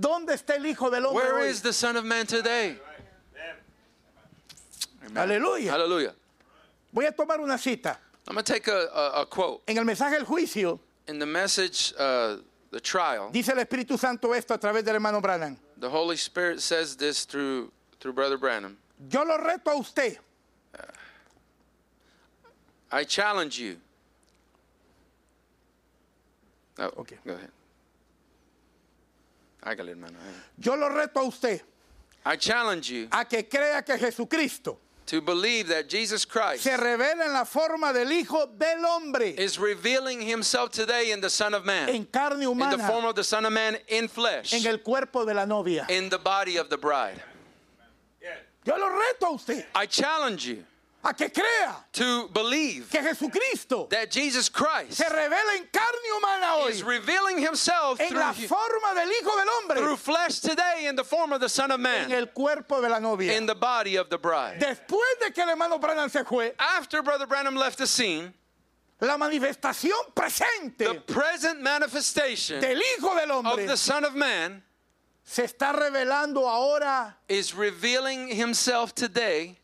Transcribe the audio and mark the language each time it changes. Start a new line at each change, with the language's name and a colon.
Spanish: ¿Dónde está el Hijo del Hombre
English: Where
Spanish: hoy?
English: Is the Son of Man today? Hallelujah. Hallelujah.
Spanish: Voy a tomar una cita.
English: I'm going to take a quote.
Spanish: En el mensaje del juicio,
English: in the message, the trial,
Spanish: dice el Espíritu Santo esto a través del hermano Branham.
English: The Holy Spirit says this through Brother Branham.
Spanish: Yo lo reto a usted.
English: I challenge you. Oh, okay. Go ahead.
Spanish: Hágale, hermano. Yo lo reto a usted.
English: I challenge you.
Spanish: A que crea que Jesucristo.
English: To believe that Jesus Christ.
Spanish: Se revela en la forma del Hijo del Hombre.
English: Is revealing himself today in the Son of Man.
Spanish: En carne humana.
English: In the form of the Son of Man in flesh.
Spanish: En el cuerpo de la novia.
English: In the body of the bride.
Spanish: Yo lo reto a usted.
English: I challenge you.
Spanish: A que crea
English: to believe
Spanish: que Jesucristo
English: that Jesus Christ
Spanish: se revela en carne humana hoy
English: is revealing himself
Spanish: en la forma del Hijo del Hombre
English: through flesh today in the form of the Son of Man
Spanish: en el cuerpo de la novia
English: in the body of the bride.
Spanish: Después de que el hermano Branham se fue,
English: after Brother Branham left the scene,
Spanish: la manifestación presente,
English: the present manifestation
Spanish: del Hijo del Hombre
English: of the Son of Man
Spanish: se está revelando ahora,
English: is revealing himself today